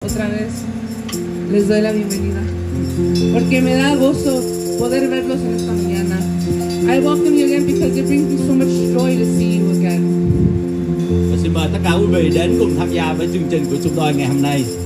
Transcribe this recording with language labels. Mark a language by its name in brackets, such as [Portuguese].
[Spanish] otra vez les doy la bienvenida, porque me da gozo poder verlos en esta mañana. [English] I welcome you again because it brings me so much joy to see you again. [Vietnamese] Và xin mời tất cả quý vị đến cùng tham gia với chương trình của chúng tôi ngày hôm nay.